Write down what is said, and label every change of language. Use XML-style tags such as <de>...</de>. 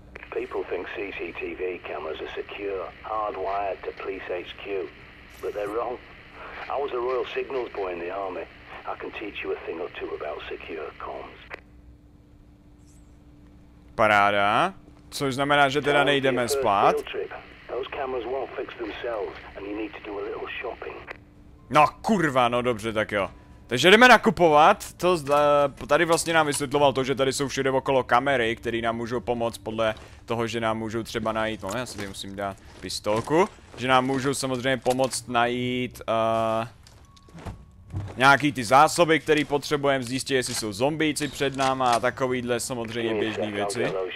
<en>People think CCTV cameras are secure, hardwired to police HQ, but they're wrong. I was a Royal Signals boy in the army. I can teach you a thing or two about secure comms.</en> <cs>Paráda. Což znamená, že teda nejdeme spát.</cs> <en>Those cameras won't fix themselves, and you need to do a little shopping.</en> <cs>No kurva, no dobře, tak jo. Takže jdeme nakupovat, tady vlastně nám vysvětloval to, že tady jsou všude okolo kamery, které nám můžou pomoct podle toho, že nám můžou třeba najít, no já si tady musím dát pistolku, že nám můžou samozřejmě pomoct najít nějaký ty zásoby, které potřebujeme, zjistit, jestli jsou zombíci před náma a takovýhle samozřejmě běžné věci.</cs>